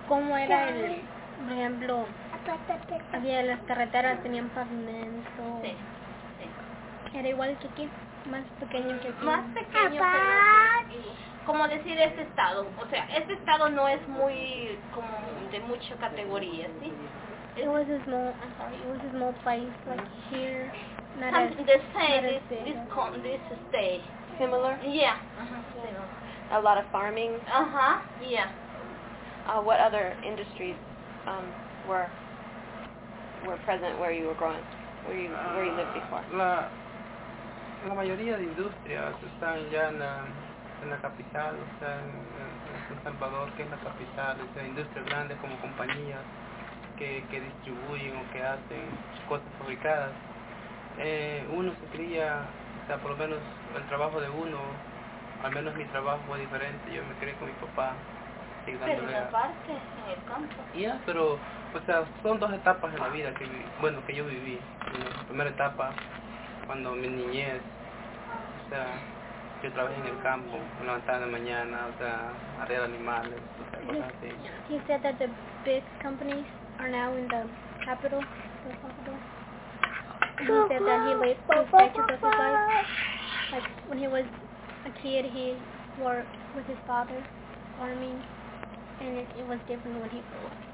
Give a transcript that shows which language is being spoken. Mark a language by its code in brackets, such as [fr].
[es] ¿Cómo era el, por ejemplo, había las carreteras, tenían pavimento? Sí, sí. ¿Era igual que aquí? ¿Más pequeño que aquí? Más pequeño, pero sí. ¿Cómo decir este estado? O sea, este estado no es muy, como, de mucha categoría, ¿sí? [en] It was a small place, like here. Not as, the same, not as this, big, this, this state. Similar? Yeah. A lot of farming? Uh-huh, yeah. What other industries were present where you were growing, where you lived before? [es] La mayoría de industrias están ya en la capital, o sea, en San Salvador, que es la capital, o sea, industrias grandes como compañías que distribuyen o que hacen cosas fabricadas. Uno se cría, o sea, por lo menos el trabajo de uno, al menos mi trabajo fue diferente, yo me crié con mi papá. Pero en la parte, en el campo. Ya, pero, o sea, son dos etapas de la vida que yo viví. La primera etapa, cuando mi niñez, o sea, yo trabajé en el campo, me levantaba de mañana, o sea, arrear animales, o sea, cosas así. [en] He said that the big companies are now in the capital. He said that he lived his life. Like, when he was a kid, he worked with his father, farming. And it was different when he grew up.